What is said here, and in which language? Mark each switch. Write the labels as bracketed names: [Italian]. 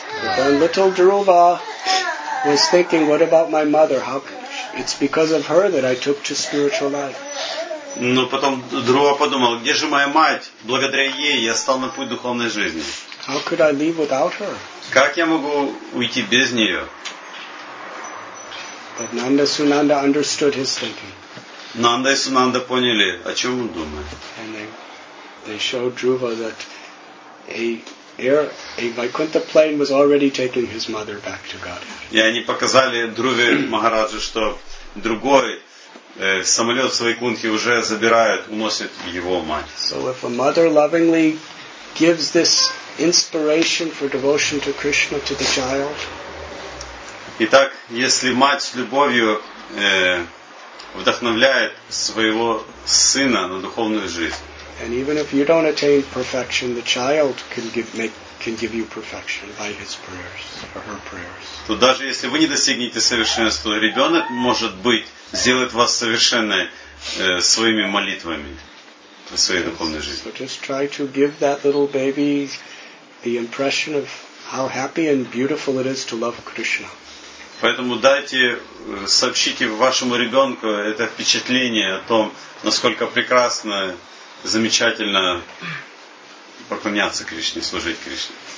[English] But then little Dhruva was thinking, what about my mother? How it's because of her that I took to spiritual life. [Russian] Но потом Dhruva подумал, где же моя мать? Благодаря ей я стал на путь духовной жизни. [English] How could I leave without her? [Russian] Как я могу уйти без нее? [English] But Nanda Sunanda understood his thinking. [Russian] Nanda и Сунанда поняли, о чем он думает. [English] And they showed Dhruva that a Vaikuntha plane was already taking his mother back to Godhead. [Russian] И они показали Dhruve Махараджу, что другой самолет Вайкунтхи уже забирает, уносит его мать. [English] So if a mother lovingly gives this inspiration for devotion to Krishna to the child. [Russian] Итак, если мать с любовью вдохновляет своего сына на духовную жизнь. [English] And even if you don't attain perfection, the child can give you perfection by his prayers or her prayers. [Russian] То даже если вы не достигнете совершенства, ребенок может быть сделает вас совершенной своими молитвами в своей духовной жизни. [English] So just try to give that little baby the impression of how happy and beautiful it is to love Krishna. [Russian] Поэтому дайте, сообщите вашему ребенку это впечатление о том, насколько прекрасно, замечательно поклоняться Кришне, служить Кришне.